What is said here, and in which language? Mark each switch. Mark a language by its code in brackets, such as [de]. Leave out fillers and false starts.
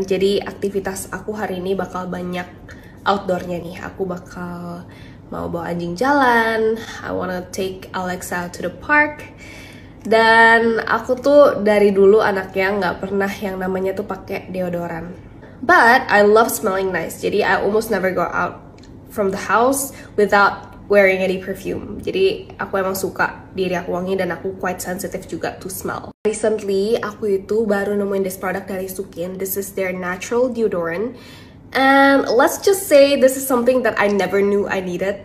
[id] Jadi aktivitas aku hari ini bakal banyak outdoornya nih. Aku bakal mau bawa anjing jalan. [en] I wanna take Alexa to the park. [id] Dan aku tuh dari dulu anaknya nggak pernah yang namanya tuh pakai deodoran. [en] But I love smelling nice. Jadi I almost never go out from the house without wearing any perfume. [id] Jadi aku emang suka diri aku wangi dan aku [en] quite sensitive [id] juga [en] to smell. [id] Recently, aku itu baru nemuin [en] this product [id] dari Sukin. [en] This is their natural deodorant. And let's just say this is something that I never knew I needed.